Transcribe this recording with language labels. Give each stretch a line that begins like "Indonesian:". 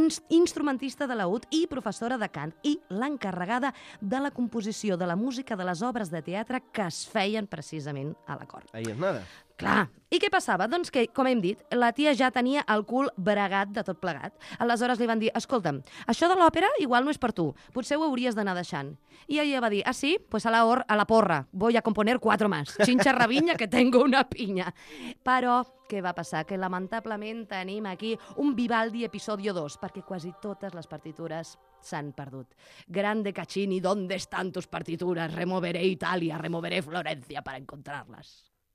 Catalan: Instrumentista de laúd i professora de cant. I l'encarregada de la composició de la música de les obres de teatre que es feien precisament a la cort.
Spanish: Ahí es nada.
Catalan: Clar. I què passava? Doncs que, com hem dit, la tia ja tenia el cul bregat de tot plegat. Aleshores li van dir: escolta'm, això de l'òpera igual no és per tu. Potser ho hauries d'anar deixant. I ella va dir: ah, sí? Pues a la porra.
Spanish: Voy a componer cuatro más. Chincha rabiña que tengo una piña.
Catalan: Però què va passar? Que lamentablement tenim aquí un Vivaldi episodio 2, perquè quasi totes les partitures s'han perdut.
Spanish: Grande Caccini, ¿dónde están tus partituras? Removeré Italia, removeré Florencia para encontrarlas.